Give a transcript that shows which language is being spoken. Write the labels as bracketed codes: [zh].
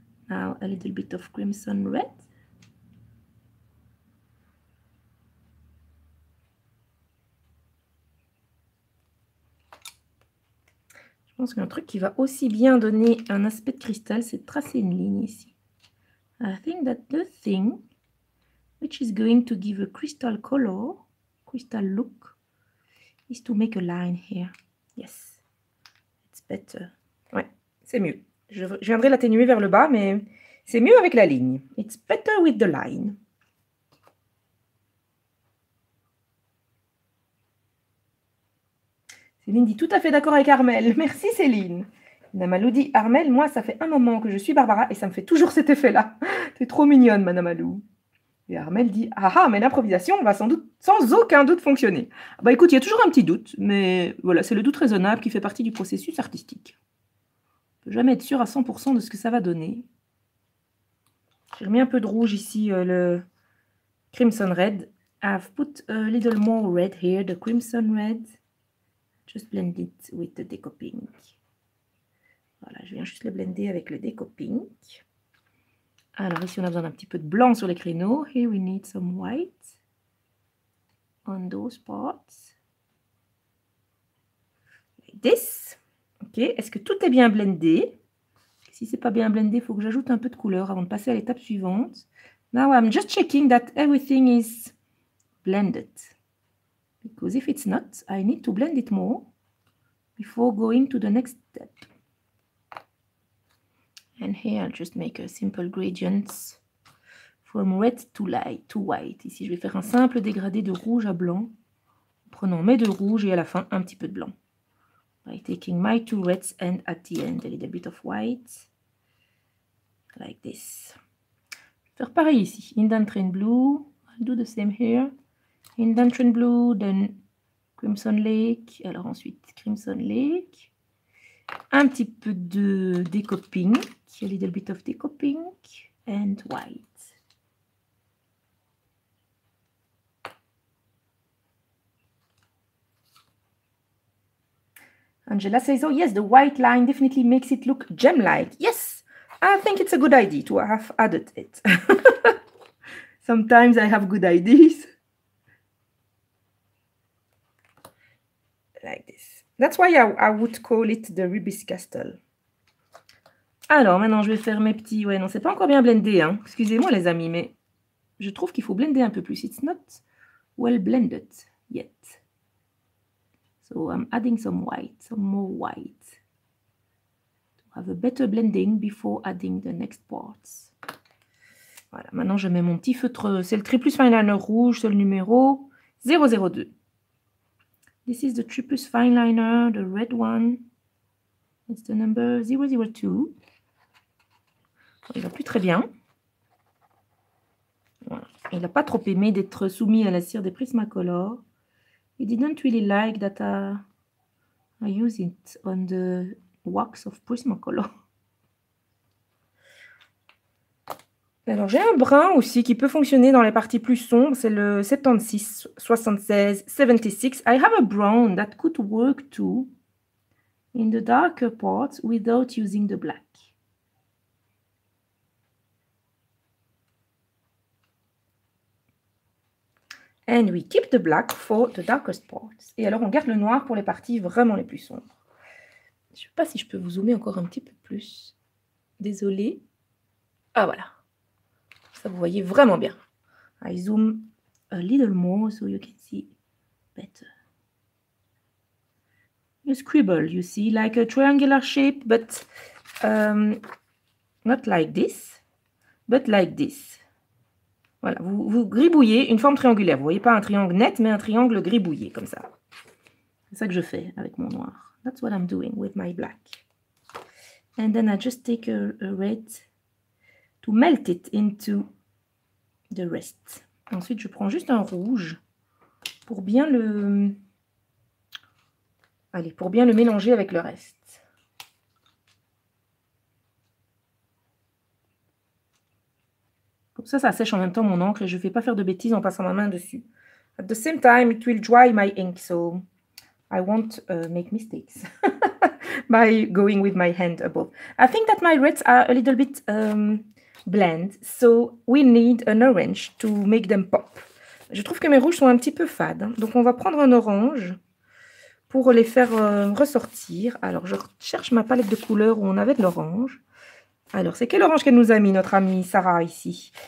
[en] Now, a little bit of crimson red. [fr] Je pense qu'un truc qui va aussi bien donner un aspect de cristal, c'est de tracer une ligne ici. [en] I think that the thing which is going to give a crystal color, crystal look, is to make a line here. Yes, it's better. [fr] Ouais, c'est mieux. Je viendrai l'atténuer vers le bas, mais c'est mieux avec la ligne. [en] It's better with the line. [fr] Céline dit tout à fait d'accord avec Armel. Merci Céline. Namalou dit Armel, moi ça fait un moment que je suis Barbara et ça me fait toujours cet effet-là. T'es trop mignonne, ma Namalou. Et Armel dit ah ah, mais l'improvisation va sans doute, sans aucun doute fonctionner. Bah écoute, il y a toujours un petit doute, mais voilà, c'est le doute raisonnable qui fait partie du processus artistique. Je ne peux jamais être sûre à 100% de ce que ça va donner. J'ai remis un peu de rouge ici, le Crimson Red. [en] I've put a little more red here, the Crimson Red. Just blend it with the deco pink. [fr] Voilà, je viens juste le blender avec le deco pink. Alors ici, on a besoin d'un petit peu de blanc sur les créneaux. [en] Here we need some white on those parts. Like this. [fr] Ok, est-ce que tout est bien blendé? Si c'est pas bien blendé, il faut que j'ajoute un peu de couleur avant de passer à l'étape suivante. [en] Now I'm just checking that everything is blended. Because if it's not, I need to blend it more before going to the next step. And here, I'll just make a simple gradient from red to light to white. [fr] Ici, je vais faire un simple dégradé de rouge à blanc, prenant mes deux rouges et à la fin, un petit peu de blanc. [en] By taking my two reds and at the end, a little bit of white, like this. [fr] Faire pareil ici, indentré en blue, [en] I'll do the same here. Indentation blue, then crimson lake, [fr] alors ensuite crimson lake, un petit peu de deco pink, [en] a little bit of deco pink, and white. Angela says, oh yes, the white line definitely makes it look gem-like. Yes, I think it's a good idea to have added it. Sometimes I have good ideas. Like this. That's why I would call it the Ruby's Castle. [fr] Alors, maintenant, je vais faire mes petits... Ouais, non, c'est pas encore bien blendé, hein. Excusez-moi, les amis, mais je trouve qu'il faut blender un peu plus. [en] It's not well blended yet. So, I'm adding some white, some more white. To have a better blending before adding the next parts. [fr] Voilà, maintenant, je mets mon petit feutre. C'est le Triplus Fineliner rouge, c'est le numéro 002. [en] This is the Triplus Fineliner, the red one. It's the number 002. [fr] Il va plus très bien. Voilà. Il n'a pas trop aimé d'être soumis à la cire des Prismacolor. [en] He didn't really like that I use it on the wax of Prismacolor. [fr] Alors, j'ai un brun aussi qui peut fonctionner dans les parties plus sombres. C'est le 76. [en] I have a brown that could work too in the darker parts without using the black. And we keep the black for the darkest parts. [fr] Et alors, on garde le noir pour les parties vraiment les plus sombres. Je ne sais pas si je peux vous zoomer encore un petit peu plus. Désolée. Ah, voilà. Ça, vous voyez vraiment bien. [en] I zoom a little more so you can see better. You scribble, you see, like a triangular shape, but not like this, but like this. [fr] Voilà, vous gribouillez une forme triangulaire. Vous voyez pas un triangle net, mais un triangle gribouillé, comme ça. C'est ça que je fais avec mon noir. [en] That's what I'm doing with my black. And then I just take a red to melt it into the rest. [fr] Ensuite, je prends juste un rouge pour bien le... Allez, pour bien le mélanger avec le reste. Comme ça sèche en même temps mon encre et je ne vais pas faire de bêtises en passant ma main dessus. [en] At the same time, it will dry my ink, so I won't make mistakes by going with my hand above. I think that my reds are a little bit blend, so we need an orange to make them pop. [fr] Je trouve que mes rouges sont un petit peu fades, hein. Donc on va prendre un orange pour les faire ressortir. Alors je recherche ma palette de couleurs où on avait de l'orange. Alors c'est quel orange qu'elle nous a mis, notre amie Sarah, ici?